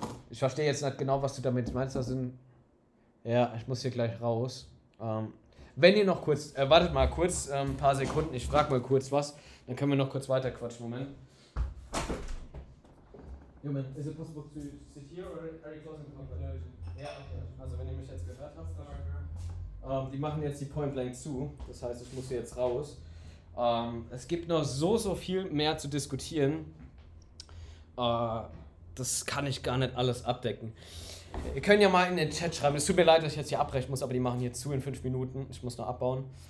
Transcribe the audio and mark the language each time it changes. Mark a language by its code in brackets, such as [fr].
[de] Ich verstehe jetzt nicht genau, was du damit meinst. Da sind ja, ich muss hier gleich raus. Wenn ihr noch kurz, wartet mal kurz, ein paar Sekunden. Ich frage mal kurz was, dann können wir noch kurz weiter quatschen. Moment. [en] Moment, is it possible to sit here or are you closing the conference? [de] Ja, okay. Also wenn ihr mich jetzt gehört habt, dann, die machen jetzt die Point Blank zu. Das heißt, ich muss hier jetzt raus. Es gibt noch so, so viel mehr zu diskutieren. Das kann ich gar nicht alles abdecken. Ihr könnt ja mal in den Chat schreiben. Es tut mir leid, dass ich jetzt hier abbrechen muss, aber die machen hier zu in 5 Minuten. Ich muss nur abbauen.